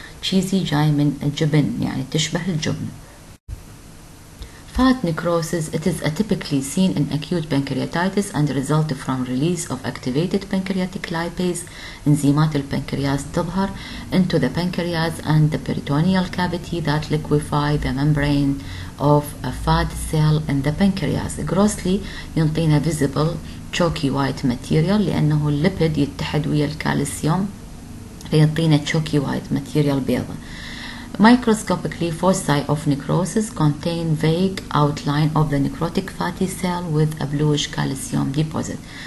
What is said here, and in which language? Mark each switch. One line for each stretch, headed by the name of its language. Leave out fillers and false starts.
Arabic: Cheesy جاي من الجبن, يعني تشبه الجبن.
English: Fat necrosis, it is typically seen in acute pancreatitis and result from release of activated pancreatic lipase, enzymat pancreas tظهر, into the pancreas and the peritoneal cavity that liquefy the membrane of a fat cell in the pancreas. Grossly, ينطينا visible chalky white material, لأنه lipid
Arabic: يتحد ويا الكالسيوم,
English: فينطينا chalky white material بيضة. Microscopically, foci of necrosis contain vague outline of the necrotic fatty cell with a bluish calcium deposit.